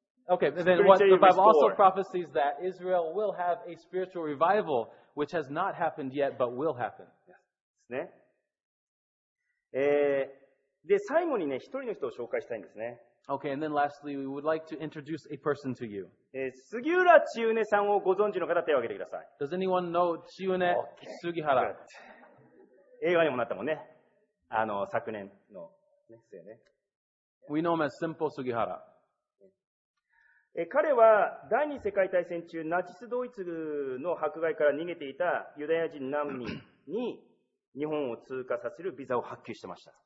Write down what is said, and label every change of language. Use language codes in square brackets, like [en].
[en] Okay, and then what the Bible also prophesies that Israel will have a spiritual revival, which has not happened yet, but will happen. [ja] ですね。で、最後にね、一人の人を紹介したいんですね。 [en] Okay, and then lastly, we would like to introduce a person to you. [ja] 杉浦千畝さんをご存知の方、手を挙げてください。 [en] Does anyone know 千畝、 okay. [ja] 杉原。 [en] Good. [ja] 映画にもなったもんね。昨年のね、そうよね。 [en] We know him as Simple 杉原。 [ja] 彼は第二次世界大戦中ナチスドイツの迫害から逃げていたユダヤ人難民に日本を通過させるビザを発給してました。